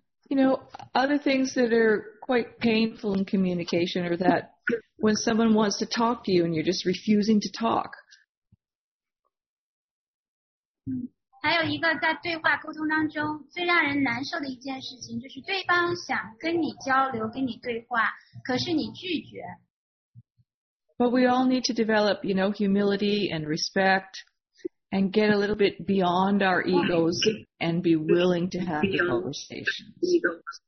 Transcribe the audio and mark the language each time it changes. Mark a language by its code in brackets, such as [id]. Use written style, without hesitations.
[en] You know, other things that are quite painful in communication are that when someone wants to talk to you and you're just refusing to talk. [zh] 还有一个在对话沟通当中最让人难受的一件事情就是对方想跟你交流跟你对话可是你拒绝。 [en] But we all need to develop, you know, humility and respect and get a little bit beyond our egos and be willing to have the conversations.